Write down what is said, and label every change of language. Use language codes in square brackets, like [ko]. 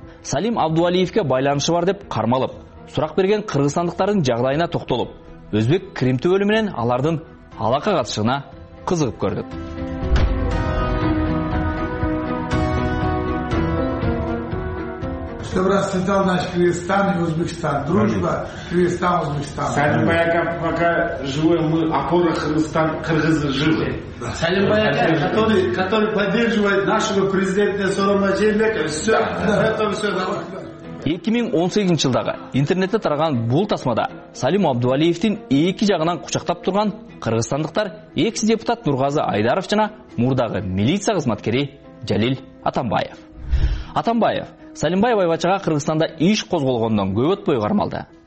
[ky] Салим Абдувалиевке байланышы бар деп кармалып, сурак берген кыргызстандыктардын жагдайына токтолуп, өзбек Крим төбөлү менен алардын алака катышына кызыгып көрдүк. [ru] Чтобы расцветал наш Кыргызстан и Узбекистан. Дружба, Кыргызстан, Узбекистан. Салимбай ака, пока живой, мы опора Кыргызстан, кыргызы живы. Да. Салимбай ака, который поддерживает нашего президента Сооронбай Жээнбеков. Все, да. Это все. [ky] 2018 жылдагы интернетте тараган бул тасмада Салим Абдувалиевдин эки жагынан кучактап турган кыргызстандыктар экс депутат Нургазы Айдаров жана мурдагы милиция кызматкери Жалил Атамбаев. Атамбаев Салимбай Байбачага Кыргызстанда иш козголгондон көп өтпөй кармалды.